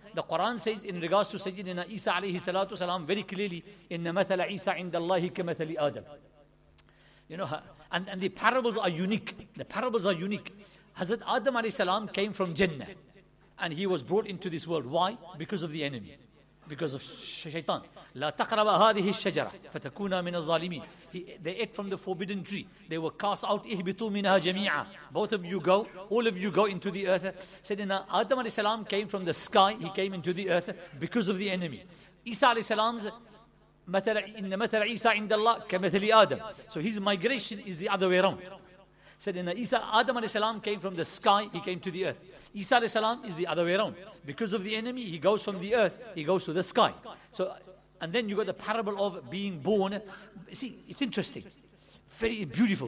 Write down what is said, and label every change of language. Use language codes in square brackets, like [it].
[en] The Quran says in regards to Sayyidina Isa alayhi salatu salam very clearly, [ar] إِنَّ مَثَلَ عِيسَى عِنْدَ اللَّهِ كَمَثَلِ آدَمِ. [en] You know, and the parables are unique. The parables are unique. Hazrat Adam alayhi salam came from Jannah, and he was brought into this world. Why? Because of the enemy. because of shaitan. [ar] لا تقرب هذه الشجرة فتكون من الظالمين. [en] They ate from the forbidden tree. They were cast out. [ar] اهبطوا منها جميعا. [en] Both of you go. All of you go into the earth. Sayyidina Adam alayhi salam came from the sky. He came into the earth because of the enemy. [ar] Isa alayhi salam's مثل إن مثل عيسى عند الله كمثل آدم. [en] So his migration is the other way around. Said in Isa, Adam alayhi salam came from the sky, he came to the earth. Isa alayhi salam is the other way around. Because of the enemy, he goes from the earth, he goes to the sky. So, and then you got the parable of being born. See, it's interesting. Very beautiful.